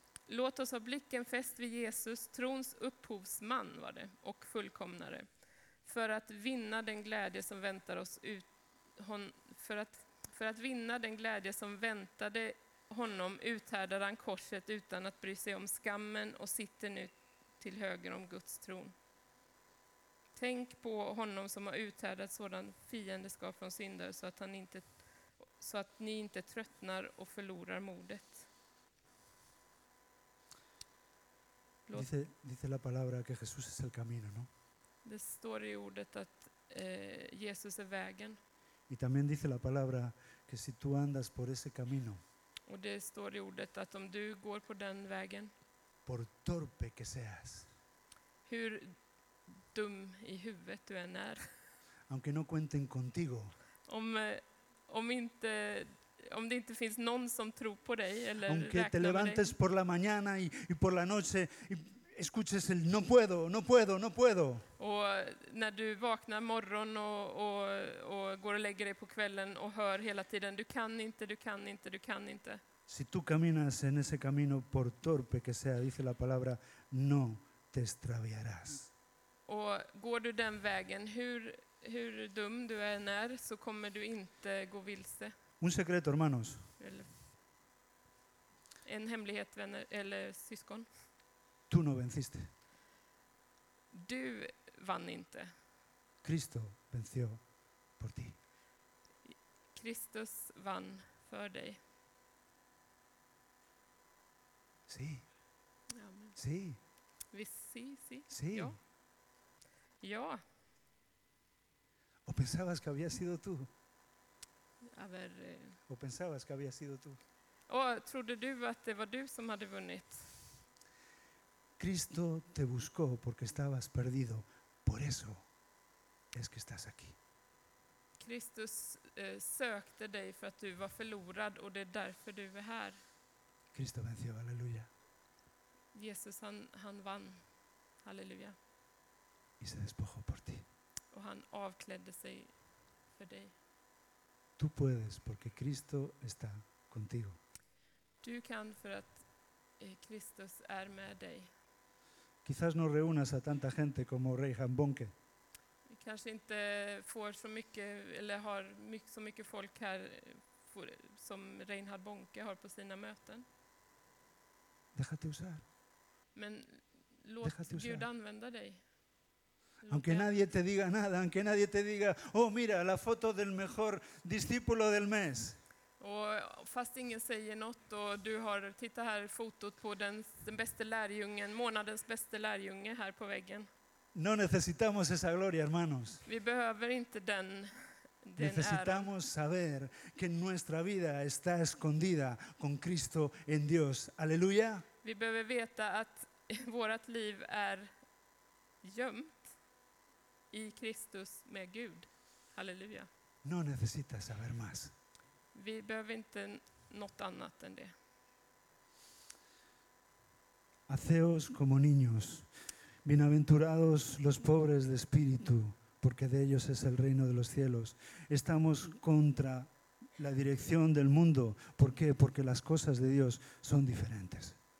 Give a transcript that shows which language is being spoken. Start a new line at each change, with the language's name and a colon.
Swedish: Låt oss ha blicken fäst vid Jesus, trons upphovsman var det, och fullkomnare, för att vinna den glädje som väntade honom uthärdade han korset utan att bry sig om skammen och sitter nu till höger om Guds tron. Tänk på honom som har uthärdat sådan fiendeskap från syndare så att ni inte tröttnar och förlorar modet.
Spanish: Dice la palabra que Jesús es el camino, ¿no?
Swedish: Det står i ordet att Jesus är vägen.
Spanish: Y también dice la palabra que si tú andas por ese camino.
Swedish: Och det står i ordet att om du går på den vägen.
Spanish: Por torpe que seas.
Swedish: Hur dum i huvudet du än är.
Spanish: Aunque no cuenten contigo.
Swedish: Om det inte finns någon som tror på dig eller
Spanish: aunque te levantes por la mañana y por la noche y escuches el no puedo, no puedo, no puedo.
Swedish: Och när du vaknar morgon och går och lägger dig på kvällen och hör hela tiden du kan inte, du kan inte, du kan inte.
Spanish: Si tú caminas en ese camino por torpe que sea, dice la palabra, no te extraviarás.
Swedish: Och går du den vägen, hur dum du än är, så kommer du inte gå vilse.
Spanish: Un secreto, hermanos.
Swedish: En hemlighet, vänner eller syskon.
Spanish: Tú no venciste.
Swedish: Du vann inte.
Spanish: Cristo venció por ti.
Swedish: Kristus vann för dig.
Spanish: Sí.
Swedish: Amen.
Spanish: Sí. Sí. Sí.
Swedish: Ja. Ja.
Spanish: ¿O pensabas que había sido tú? A ver. ¿O pensabas que había sido tú?
Swedish: Och trodde du att det var du som hade vunnit?
Spanish: Cristo te buscó porque estabas perdido. Por eso es que estás aquí.
Swedish: Kristus sökte dig för att du var förlorad och det är därför du är här.
Spanish: Cristo venció, aleluya.
Swedish: Jesus han vann. Halleluja.
Spanish: Y se despojó por ti.
Swedish: Och han avklädde sig för dig.
Spanish: Tú puedes porque Cristo está contigo.
Swedish: Du kan för att Kristus är med dig.
Spanish: Quizás no reúnas a tanta gente como Reinhard Bonnke.
Swedish: Vi kanske inte får så mycket eller har så mycket folk här som Reinhard Bonnke har på sina möten.
Spanish: Déjate usar.
Swedish: Men låt Gud använda dig.
Spanish: Aunque nadie te diga nada, aunque nadie te diga, oh mira, la foto del mejor discípulo del mes.
Swedish: Och fast ingen säger något och du har tittat här fotot på den bästa lärjungen, månadens bästa lärjunge här på väggen.
Spanish: No necesitamos esa gloria, hermanos.
Swedish: Vi behöver inte den äran.
Spanish: Necesitamos saber que nuestra vida está escondida con Cristo en Dios. Aleluya.
Swedish: Vi behöver veta att vårt liv är gömt i Kristus med Gud. Halleluja.
Spanish: No necesitas saber más.
Swedish: Vi behöver inte något annat än det.
Spanish: Haceos como niños. Bienaventurados los pobres de espíritu, porque de ellos es el reino de los cielos. Estamos contra la dirección del mundo. ¿Por qué? Porque las cosas de Dios son diferentes.